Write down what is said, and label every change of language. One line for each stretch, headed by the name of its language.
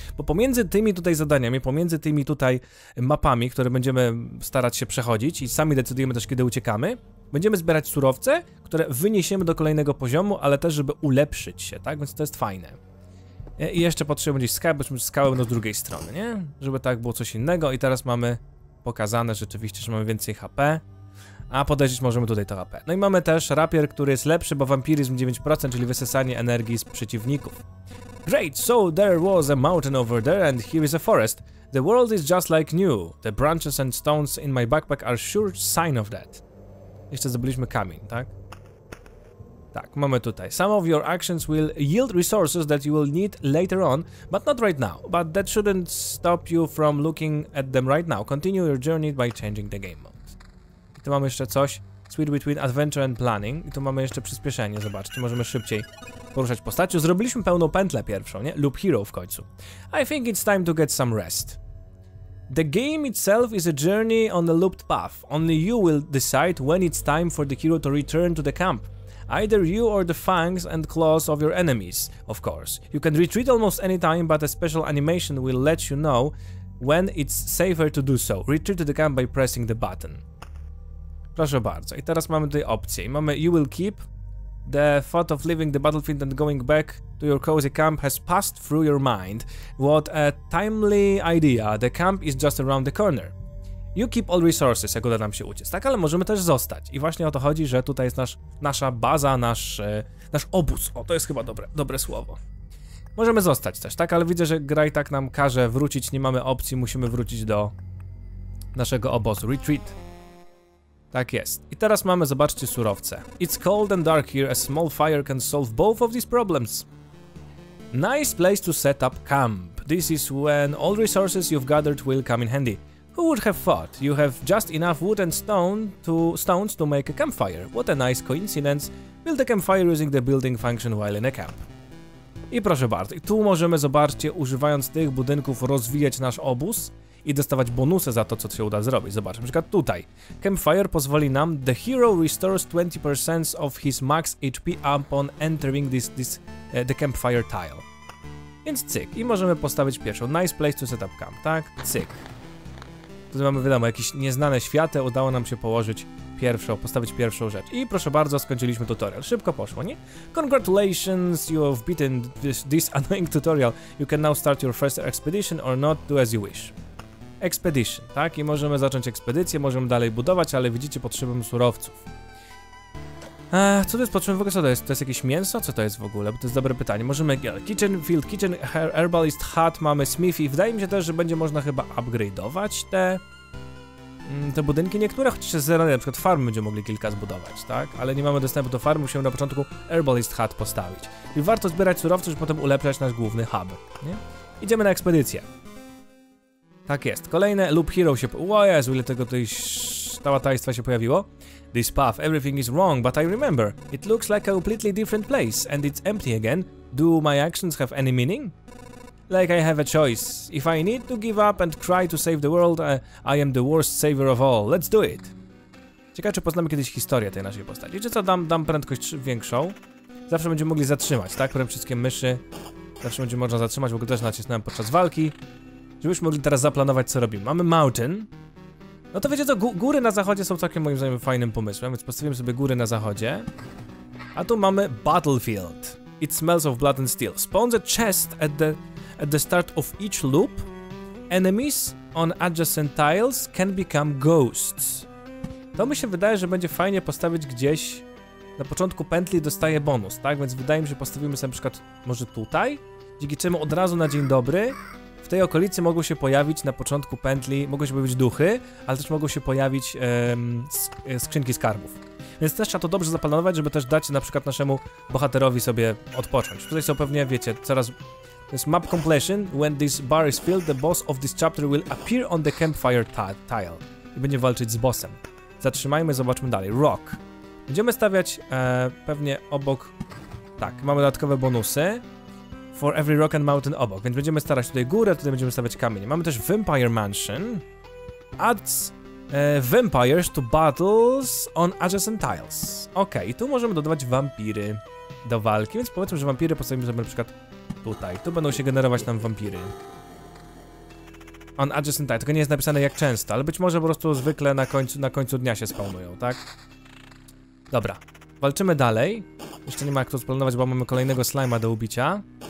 Polish: Bo pomiędzy tymi tutaj zadaniami, pomiędzy tymi tutaj mapami, które będziemy starać się przechodzić i sami decydujemy też, kiedy uciekamy, będziemy zbierać surowce, które wyniesiemy do kolejnego poziomu, ale też, żeby ulepszyć się, tak? Więc to jest fajne. I jeszcze potrzebujemy gdzieś skały, bośmy skałę do drugiej strony, nie? Żeby tak było coś innego i teraz mamy pokazane rzeczywiście, że mamy więcej HP. A podejrzeć możemy tutaj to AP. No i mamy też rapier, który jest lepszy, bo wampiryzm 9%, czyli wysysanie energii z przeciwników.
English: Great, so there was a mountain over there and here is a forest. The world is just like new. The branches and stones in my backpack are sure sign of that.
Polish: Jeszcze zdobyliśmy kamień, tak? Tak, mamy tutaj.
English: Some of your actions will yield resources that you will need later on, but not right now. But that shouldn't stop you from looking at them right now. Continue your journey by changing the game mode.
Polish: Tu mamy jeszcze coś,
English: Sweet Between Adventure and Planning.
Polish: I tu mamy jeszcze przyspieszenie, zobaczcie, możemy szybciej poruszać postacią. Zrobiliśmy pełną pętlę pierwszą, nie? Loop Hero w końcu.
English: I think it's time to get some rest. The game itself is a journey on a looped path. Only you will decide when it's time for the hero to return to the camp. Either you or the fangs and claws of your enemies, of course. You can retreat almost any time, but a special animation will let you know when it's safer to do so. Retreat to the camp by pressing the button.
Polish: Proszę bardzo. I teraz mamy tutaj opcję. Mamy
English: you will keep. The thought of leaving the battlefield and going back to your cozy camp has passed through your mind. What a timely idea. The camp is just around the corner. You keep all resources,
Polish: jak uda nam się uciec. Tak, ale możemy też zostać. I właśnie o to chodzi, że tutaj jest nasza baza, nasz obóz. O, to jest chyba dobre słowo. Możemy zostać też, tak? Ale widzę, że gra i tak nam każe wrócić. Nie mamy opcji. Musimy wrócić do naszego obozu. Retreat. Tak jest. I teraz mamy, zobaczcie, surowce.
English: It's cold and dark here. A small fire can solve both of these problems. Nice place to set up camp. This is when all resources you've gathered will come in handy. Who would have thought? You have just enough wood and stones to make a campfire. What a nice coincidence. Build a campfire using the building function while in a camp.
Polish: I proszę bardzo. I tu możemy, zobaczcie, używając tych budynków rozwijać nasz obóz i dostawać bonusy za to, co się uda zrobić. Zobaczmy, na przykład tutaj. Campfire pozwoli nam...
English: The hero restores 20% of his max HP upon entering the campfire tile.
Polish: Więc cyk. I możemy postawić pierwszą.
English: Nice place to set up camp,
Polish: tak? Cyk. Tutaj mamy, wiadomo, jakieś nieznane światy. Udało nam się postawić pierwszą rzecz. I proszę bardzo, skończyliśmy tutorial. Szybko poszło, nie?
English: Congratulations, you have beaten this annoying tutorial. You can now start your first expedition or not, do as you wish.
Polish: Expedition, tak? I możemy zacząć ekspedycję, możemy dalej budować, ale widzicie, potrzebujemy surowców. Co to jest potrzebne? W ogóle co to jest? To jest jakieś mięso? Co to jest w ogóle? Bo to jest dobre pytanie. Możemy... Kitchen, field, kitchen, herbalist, hut, mamy smithy. Wydaje mi się też, że będzie można chyba upgrade'ować te budynki niektóre, chociaż z zera, na przykład farm będziemy mogli kilka zbudować, tak? Ale nie mamy dostępu do farmy, musimy na początku herbalist hut postawić. I warto zbierać surowców, żeby potem ulepszać nasz główny hub, nie? idziemy na ekspedycję. Tak jest, kolejne Loop Hero się... O Jezu, ile tego tej stałataństwa się pojawiło?
English: This path, everything is wrong, but I remember. It looks like a completely different place and it's empty again. Do my actions have any meaning? Like I have a choice. If I need to give up and cry to save the world, I am the worst savior of all. Let's do it!
Polish: Ciekawe, czy poznamy kiedyś historię tej naszej postaci. Czy co, dam prędkość większą? Zawsze będziemy mogli zatrzymać, tak? Przede wszystkim myszy. Zawsze będzie można zatrzymać, w ogóle też nacisnąłem podczas walki. Żebyśmy mogli teraz zaplanować, co robimy. Mamy mountain. No to wiecie co, góry na zachodzie są całkiem moim zdaniem fajnym pomysłem, więc postawimy sobie góry na zachodzie. A tu mamy battlefield.
English: It smells of blood and steel. Spawns a chest at the start of each loop. Enemies on adjacent tiles can become ghosts.
Polish: To mi się wydaje, że będzie fajnie postawić gdzieś na początku pętli, dostaje bonus, tak? Więc wydaje mi się, że postawimy sobie na przykład może tutaj, dzięki czemu od razu na dzień dobry w tej okolicy mogą się pojawić na początku pętli, mogą się pojawić duchy, ale też mogą się pojawić skrzynki skarbów. Więc też trzeba to dobrze zaplanować, żeby też dać na przykład naszemu bohaterowi sobie odpocząć. Tutaj są pewnie, wiecie, coraz... To jest map completion.
English: When this bar is filled, the boss of this chapter will appear on the campfire tile.
Polish: I będzie walczyć z bossem. Zatrzymajmy, zobaczmy dalej. Rock. Będziemy stawiać pewnie obok... Tak, mamy dodatkowe bonusy.
English: For every rock and mountain
Polish: obok. Więc będziemy starać tutaj górę, tutaj będziemy stawiać kamień. Mamy też Vampire Mansion.
English: Adds vampires to battles on adjacent tiles.
Polish: Okej, okay, i tu możemy dodawać wampiry do walki. Więc powiedzmy, że wampiry postawimy sobie na przykład tutaj. Tu będą się generować nam wampiry.
English: On adjacent tile.
Polish: Tylko nie jest napisane jak często, ale być może po prostu zwykle na końcu dnia się spawnują, tak? Dobra, walczymy dalej. Jeszcze nie ma jak to splanować, bo mamy kolejnego slima do ubicia.